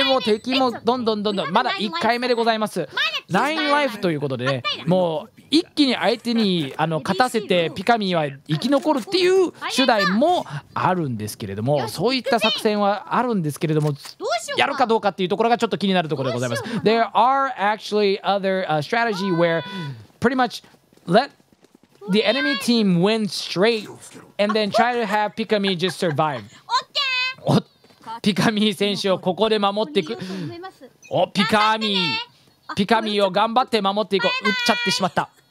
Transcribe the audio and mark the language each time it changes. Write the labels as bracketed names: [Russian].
[Japanese] でも敵もどんどんどんどん、まだ1回目でございます。9 life ということでね、もう一気に相手に勝たせてピカミーは生き残るっていう手段もあるんですけれども、そういった作戦はあるんですけれども、やるかどうかっていうところがちょっと気になるところでございます。 [English] There are actually other strategy where pretty much let the enemy team win straight and then try to have Pikamee just survive. [Japanese] おっ、ピカミー選手をここで守っていく。お、ピカミー、ピカミーを頑張って守っていこう。撃っちゃってしまった。